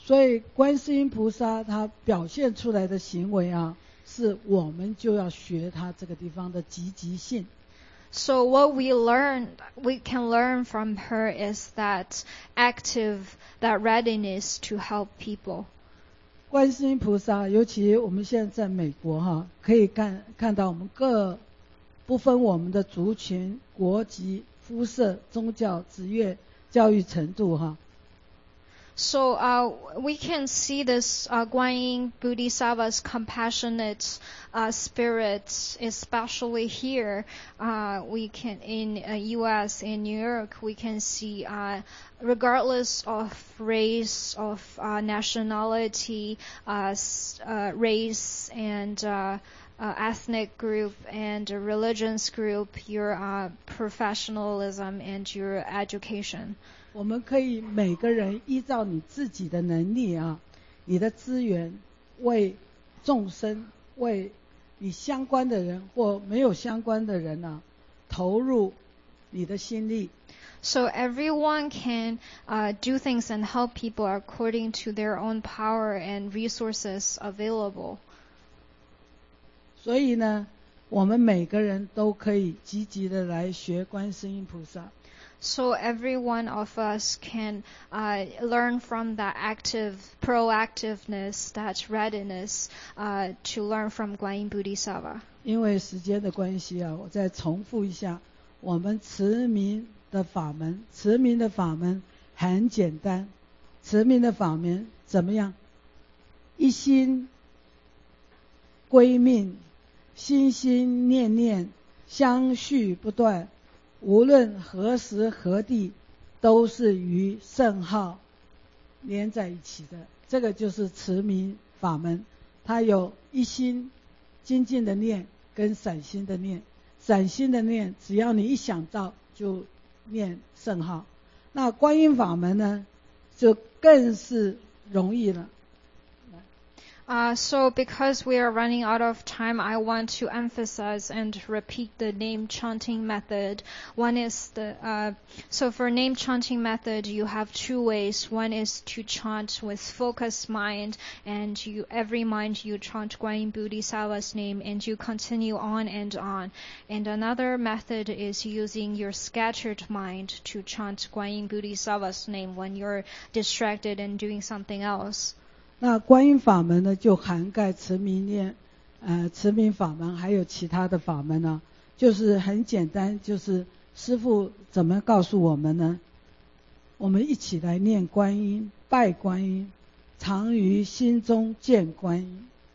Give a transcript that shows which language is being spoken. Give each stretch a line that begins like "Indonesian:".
Chinese: 所以观世音菩萨他表现出来的行为啊，是我们就要学他这个地方的积极性。
English: So what we can learn from her is that readiness to help people.
Chinese: 观世音菩萨，尤其我们现在在美国哈，可以看到我们各不分我们的族群、国籍、肤色、宗教、职业、教育程度哈。
English: So we can see this Guanyin Bodhisattva's compassionate spirits, especially here. We can in US, in New York, we can see regardless of race, of nationality, race and ethnic group and religions group, your professionalism and your education.
Chinese: 我们可以每个人依照你自己的能力啊，你的资源，为众生，为你相关的人或没有相关的人啊，投入你的心力。
English: So everyone can do things and help people according to their own power and resources available.
Chinese: 所以呢，我们每个人都可以积极的来学观世音菩萨。
English: So everyone of us can learn from that active proactiveness, that readiness to learn from Guanyin Bodhisattva.
Chinese: 因为时间的关系啊，我再重复一下，我们持名的法门，持名的法门很简单，持名的法门怎么样？一心归命，心心念念，相续不断。无论何时何地都是与圣号连在一起的，这个就是持名法门。它有一心精进的念跟散心的念，散心的念只要你一想到就念圣号。那观音法门呢就更是容易了。
English: So because we are running out of time, I want to emphasize and repeat the name chanting method. One is the, so for name chanting method, you have two ways. One is to chant with focused mind, and you, every mind you chant Guanyin Bodhisattva's name, and you continue on and on. And another method is using your scattered mind to chant Guanyin Bodhisattva's name when you're distracted and doing something else.
Chinese: 那观音法门呢，就涵盖持名念，持名法门，还有其他的法门呢。就是很简单，就是师父怎么告诉我们呢？我们一起来念观音，拜观音，常于心中见观音。